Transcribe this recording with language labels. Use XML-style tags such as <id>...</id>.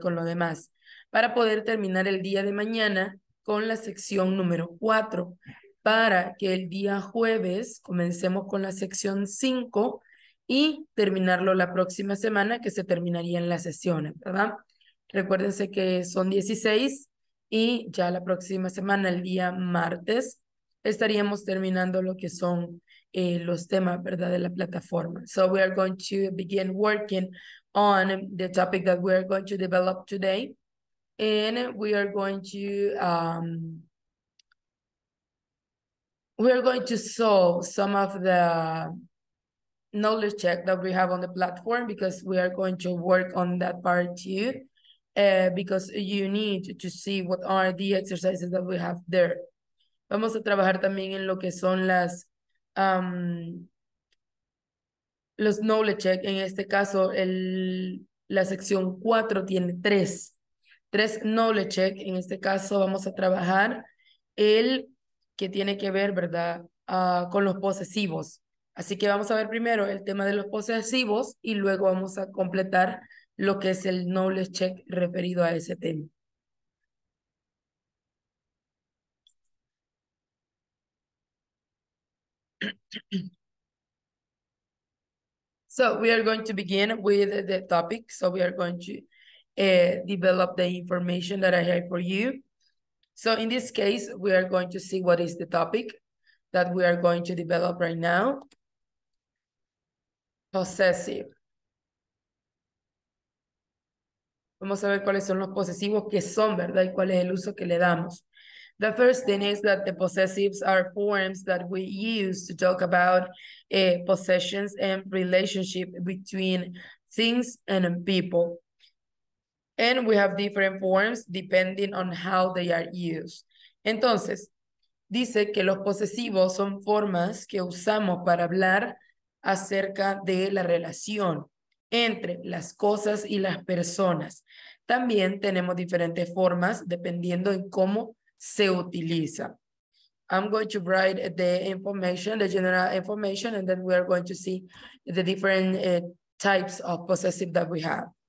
<es>Con lo demás, para poder terminar el día de mañana con la sección número 4, para que el día jueves comencemos con la sección 5 y terminarlo la próxima semana, que se terminarían las sesiones, ¿verdad? Recuérdense que son 16 y ya la próxima semana, el día martes, estaríamos terminando lo que son los temas, ¿verdad?, de la plataforma.</es> <en>So we are going to begin working on the topic that we are going to develop today. And we are going to solve some of the knowledge check that we have on the platform, because we are going to work on that part too, because you need to see what are the exercises that we have there.</en> <es>Vamos a trabajar también en lo que son las los knowledge check. En este caso, la sección 4 tiene tres knowledge check. En este caso, vamos a trabajar el que tiene que ver, ¿verdad?, con los posesivos. Así que vamos a ver primero el tema de los posesivos y luego vamos a completar lo que es el knowledge check referido a ese tema.</es> <en>So we are going to begin with the topic. So we are going to develop the information that I have for you. So in this case, we are going to see what is the topic that we are going to develop right now. Possessive.</en> <es>Vamos a ver cuáles son los posesivos, qué son, ¿verdad? Y cuál es el uso que le damos.</es> <en>The first thing is that the possessives are forms that we use to talk about possessions and relationship between things and people. And we have different forms depending on how they are used.</en> <es>Entonces, dice que los posesivos son formas que usamos para hablar acerca de la relación entre las cosas y las personas. También tenemos diferentes formas dependiendo en cómo se utiliza.</es> <en>I'm going to write the information, the general information, and then we are going to see the different types of possessive that we have.</en>